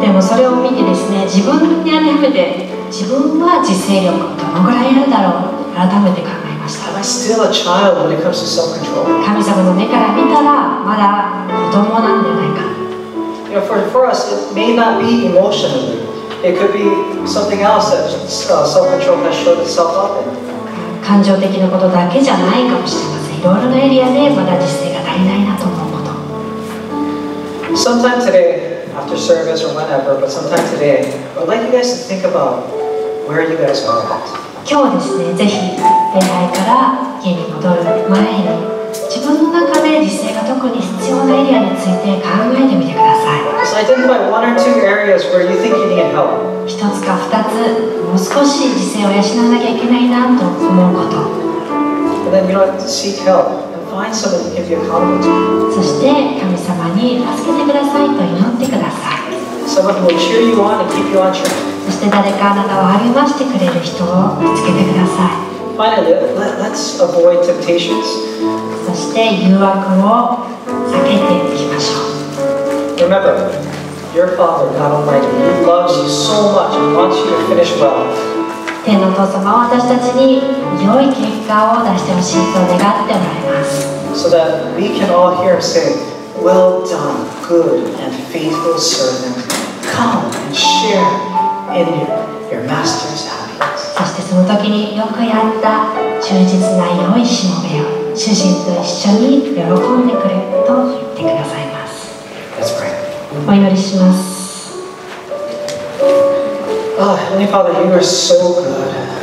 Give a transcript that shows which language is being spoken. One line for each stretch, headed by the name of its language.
Japanese: でもそれを見てですね、自分に当てはめて、自分は自制力どのぐらいあるだろう、改めて考えました。
English: Am I still a child when it comes to self-control?
Japanese: 神様の目から見たら、まだ子供なんじゃないか。
English: You know, for us, it may not be emotionally. It could be something else that self-control has showed itself up in.
Japanese: 感情的なことだけじゃないかもしれません。いろいろなエリアでまだ自制が足りないなと思うこと。
English: Sometime today,after service or whatever, but sometime today, I would like you guys to think about where you guys are at.
Japanese: 今日ですね、ぜひ礼拝から家に戻る前に、自分の中で自制が特に必要なエリアについて考えてみてください。
English: So identify one or two areas where you think you need help.
Japanese: 一つか二つ、もう少し自制を養わなきゃいけないなと思うこと。
English: And then you have to seek help. Find someone to give you a compliment.
Japanese: そして神様に助けてくださいと祈ってください。
English: Someone who will cheer you on and keep you on track.
Japanese: そして誰かあなたを励ましてくれる人を見つけてください。
English: Finally, let's avoid temptations.
Japanese: そして誘惑を避けていきましょう。
English: Remember, your Father, God Almighty, loves you so much and wants you to finish well.
Japanese: 天の父様は私たちに良い結果を出してほしいと願っておられます。
English: So that we can all hear him say, Well done, good and faithful servant. Come and share in your master's happiness.
Japanese: そしてその時によくやった忠実な良いしもべよ。主人と一緒に喜んでくれと言ってくださいます。
English: Let's pray.
Japanese: お祈りします。
English: Oh, Heavenly Father, you are so good.